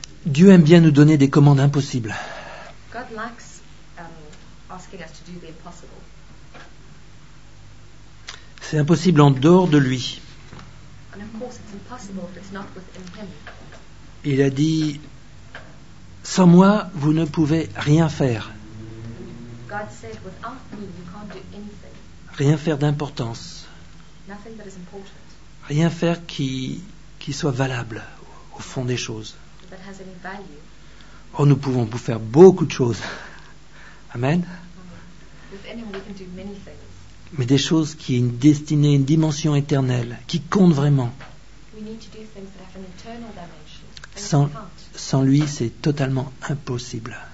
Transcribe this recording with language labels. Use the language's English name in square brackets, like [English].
[French] Dieu aime bien nous donner des commandes impossibles. [English] God likes, asking us to do the impossible. [French] C'est impossible en dehors de lui. [English] And of course it's impossible if it's not within him. [French] Il a dit, sans moi, vous ne pouvez rien faire. [English] God said, without me, you can't do anything. [French] Rien faire d'importance. [English] Nothing that is important. [French] Rien faire qui soit valable. Au fond des choses. [English] That has any value. [French] Oh, nous pouvons vous faire beaucoup de choses. [English] Amen. Within him, we can do many things. [French] Mais des choses qui ont une destinée, une dimension éternelle, qui comptent vraiment. [English] We need to do things that have an eternal dimension. [French] Sans lui, c'est totalement impossible.